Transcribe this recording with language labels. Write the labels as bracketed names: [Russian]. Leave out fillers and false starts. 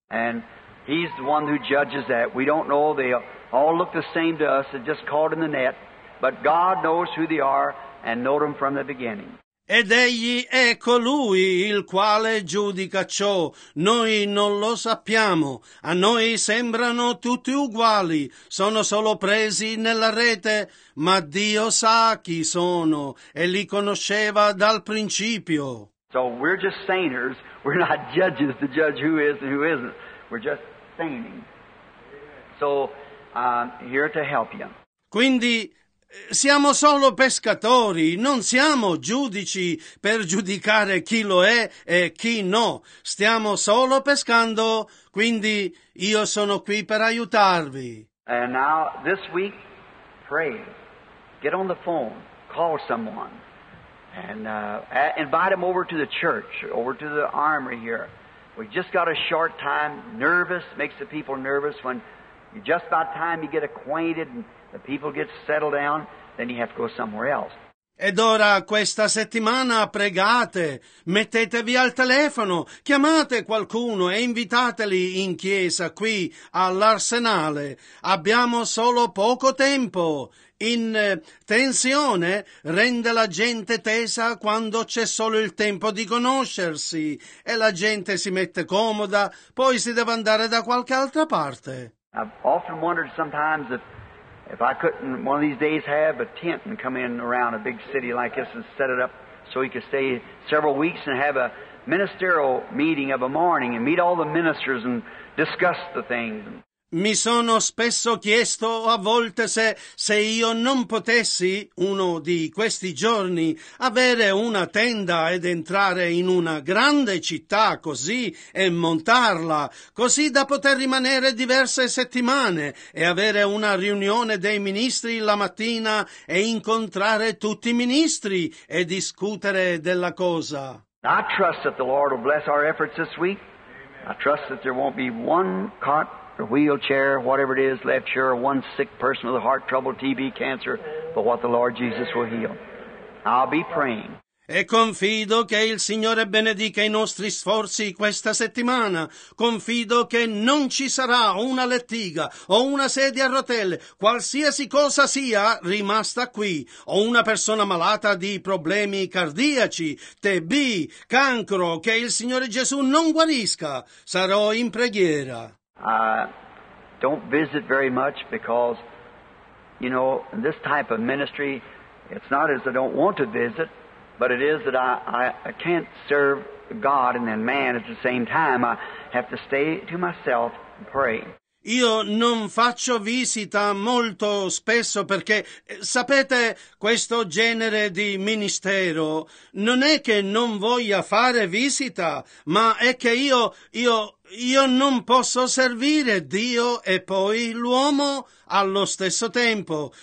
[English] And he's the one who judges that. We don't know, they all look the same to us, they're just caught in the net, but God knows who they are and know them from the beginning. [Italian] Ed egli è colui il quale giudica ciò. Noi non lo sappiamo. A noi sembrano tutti uguali. Sono solo presi nella rete. Ma Dio sa chi sono e li conosceva dal principio. [English] So we're just sainters. We're not judges to judge who is and who isn't. We're just saining. So I'm here to help you. [Italian] Quindi siamo solo pescatori, non siamo giudici per giudicare chi lo è e chi no. Stiamo solo pescando, quindi io sono qui per aiutarvi. [English] And now, this week, pray. Get on the phone, call someone, and invite them over to the church, over to the armory here. We just got a short time, nervous, makes the people nervous when you just about time you get acquainted and the people get settled down, then you have to go somewhere else. [Italian] Ed ora questa settimana pregate, mettetevi al telefono, chiamate qualcuno e invitateli in chiesa qui all'arsenale. Abbiamo solo poco tempo. In tensione rende la gente tesa quando c'è solo il tempo di conoscersi e la gente si mette comoda, poi si deve andare da qualche altra parte. [English] I've often wondered sometimes if I couldn't one of these days have a tent and come in around a big city like this and set it up so he could stay several weeks and have a ministerial meeting of a morning and meet all the ministers and discuss the things. [Italian] Mi sono spesso chiesto a volte se io non potessi uno di questi giorni avere una tenda ed entrare in una grande città così e montarla, così da poter rimanere diverse settimane e avere una riunione dei ministri la mattina e incontrare tutti i ministri e discutere della cosa. [English] I trust that the Lord will bless our efforts this week. I trust that there won't be one caught wheelchair, whatever it is, left here, one sick person with a heart trouble, TB, cancer, but what the Lord Jesus will heal. I'll be praying. [Italian] E confido che il Signore benedica i nostri sforzi questa settimana. Confido che non ci sarà una lettiga o una sedia a rotelle, qualsiasi cosa sia rimasta qui, o una persona malata di problemi cardiaci, TB, cancro, che il Signore Gesù non guarisca. Sarò in preghiera. [English] I don't visit very much because, you know, in this type of ministry, it's not as I don't want to visit, but it is that I can't serve God and then man at the same time. I have to stay to myself and pray. [Italian] Io non faccio visita molto spesso perché, sapete, questo genere di ministero non è che non voglia fare visita, ma è che io non posso servire Dio e poi l'uomo allo stesso tempo.